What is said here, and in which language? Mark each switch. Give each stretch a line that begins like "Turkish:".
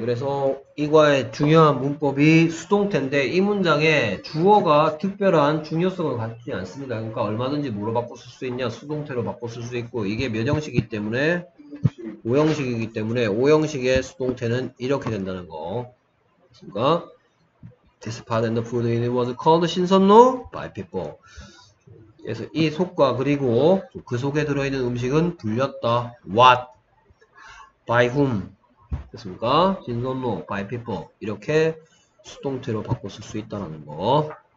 Korean: 그래서 이과의 중요한 문법이 수동태인데, 이 문장에 주어가 특별한 중요성을 갖지 않습니다. 그러니까 얼마든지 뭐로 바꿔 쓸수 있냐, 수동태로 바꿔 쓸수 있고, 이게 몇 형식이기 때문에, 5형식이기 때문에, 5형식의 수동태는 이렇게 된다는 거. 됐습니까?
English: This pot and the food in it was called 신선로 by people.
Korean: 그래서 이 속과 그리고 그 속에 들어있는 음식은 불렸다.
English: What? By whom?
Korean: 됐습니까?
English: 신선로 by people.
Korean: 이렇게 수동태로 바꿔 쓸수 있다는 거.